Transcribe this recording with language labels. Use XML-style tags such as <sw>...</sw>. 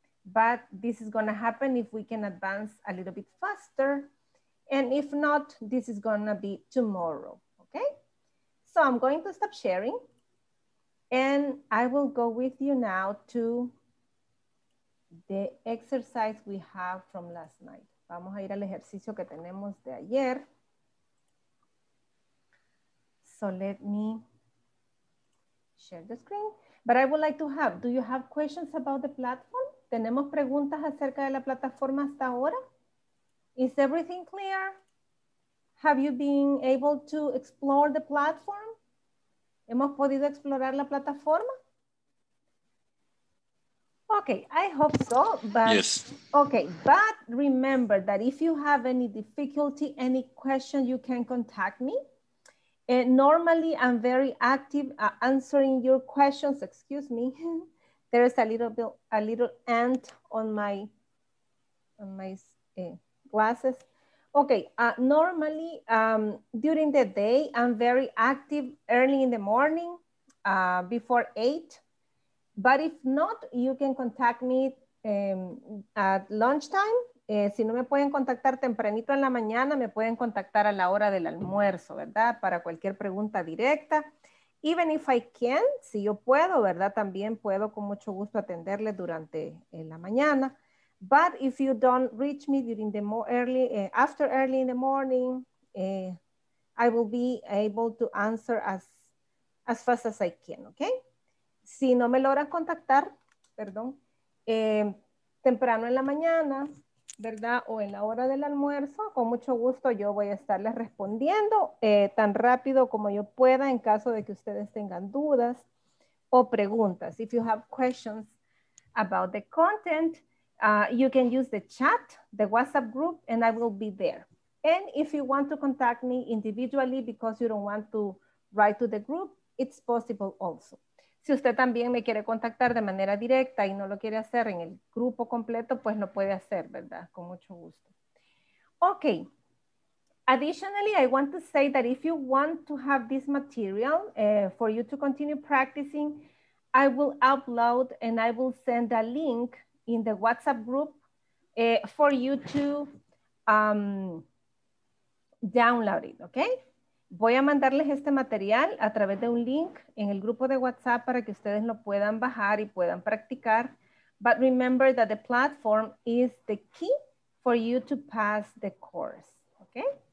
<en>But this is gonna happen if we can advance a little bit faster. And if not, this is gonna be tomorrow, okay? So I'm going to stop sharing and I will go with you now to the exercise we have from last night.</en> <es>Vamos a ir al ejercicio que tenemos de ayer.</es> <en>So let me share the screen. But I would like to have, do you have questions about the platform?</en> <es>¿Tenemos preguntas acerca de la plataforma hasta ahora?</es> <en>Is everything clear? Have you been able to explore the platform?</en> <es>¿Hemos podido explorar la plataforma?</es> <en>Okay, I hope so, but yes. Okay, but remember that if you have any difficulty, any question, you can contact me. And normally I'm very active answering your questions. Excuse me. There is a little ant on my glasses. Okay, normally during the day, I'm very active early in the morning before 8. But if not, you can contact me at lunchtime.</en> <es>Si no me pueden contactar tempranito en la mañana, me pueden contactar a la hora del almuerzo, ¿verdad? Para cualquier pregunta directa.</es> <en>Even if I can,</en> <es>si yo puedo, ¿verdad? También puedo con mucho gusto atenderle durante la mañana.</es> <en>But if you don't reach me during the more early, after early in the morning, I will be able to answer as fast as I can, okay?</en> <es>Si no me logran contactar, perdón, temprano en la mañana, ¿verdad? O en la hora del almuerzo, con mucho gusto yo voy a estarles respondiendo tan rápido como yo pueda en caso de que ustedes tengan dudas o preguntas.</es> <en>If you have questions about the content, you can use the chat, the WhatsApp group, and I will be there. And if you want to contact me individually because you don't want to write to the group, it's possible also.</en> <es>Si usted también me quiere contactar de manera directa y no lo quiere hacer en el grupo completo, pues lo puede hacer, ¿verdad? Con mucho gusto. Okay.</es> <en>Additionally, I want to say that if you want to have this material for you to continue practicing, I will upload and I will send a link in the WhatsApp group for you to download it, okay?</en> <es>Voy a mandarles este material a través de un link en el grupo de WhatsApp para que ustedes lo puedan bajar y puedan practicar.</es> <en>But remember that the platform is the key for you to pass the course, okay?</en>